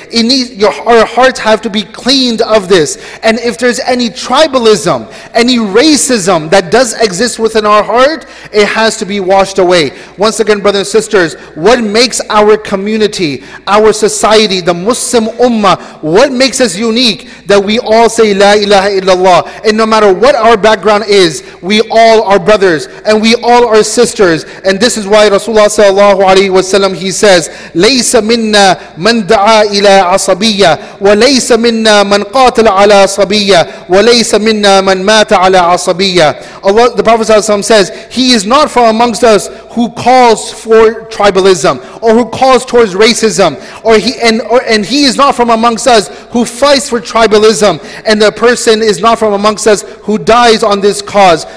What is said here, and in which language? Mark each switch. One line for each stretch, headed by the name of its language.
English: Our hearts have to be cleaned of this. And if there's any tribalism, any racism that does exist within our heart, it has to be washed away. Once again, brothers and sisters, what makes our community, our society, the Muslim Ummah, what makes us unique? That we all say La ilaha illallah. And no matter what our background is, we all are brothers and we all are sisters. And this is why Rasulullah sallallahu alayhi wa sallam, He says,
Arabic: ليس منا من دعا إلى عصبية وليس منا من قاتل على عصبية وليس منا من مات على عصبية.
English: Allah, the Prophet ﷺ says, He is not from amongst us who calls for tribalism or who calls towards racism, He is not from amongst us who fights for tribalism, and the person is not from amongst us who dies on this cause.